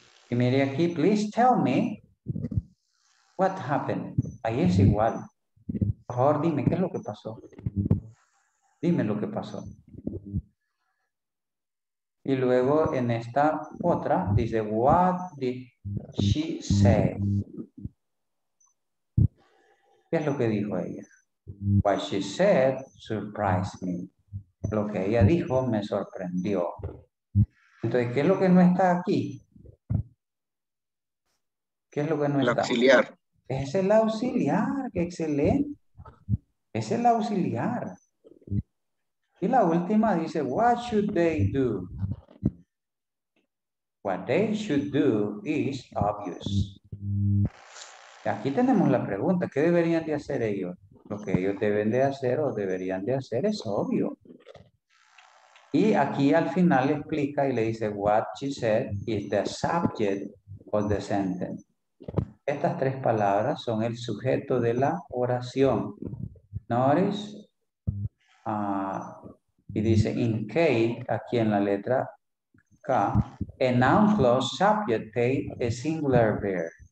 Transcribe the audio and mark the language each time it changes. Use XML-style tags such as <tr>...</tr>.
<es>Y mire aquí,</es> <en>please tell me what happened.</en> <es>Ahí es igual. Por favor, dime, ¿qué es lo que pasó? Dime lo que pasó. Y luego en esta otra dice,</es> <en>what did she say?</en> <es>¿Qué es lo que dijo ella?</es> <en>What she said surprised me.</en> <es>Lo que ella dijo me sorprendió. Entonces, ¿qué es lo que no está aquí? ¿Qué es lo que no está? El auxiliar. Es el auxiliar, qué excelente. Es el auxiliar. Y la última dice,</es> <en>what should they do? What they should do is obvious.</en> <es>Aquí tenemos la pregunta, ¿qué deberían de hacer ellos? Lo que ellos deben de hacer o deberían de hacer es obvio. Y aquí al final le explica y le dice,</es> <en>what she said is the subject of the sentence.</en> <es>Estas tres palabras son el sujeto de la oración.</es> <en>Notice,</en> <es>y dice,</es> <en>in case,</en> <es>aquí en la letra K,</es> <en>a noun plus subject take a singular verb.</en>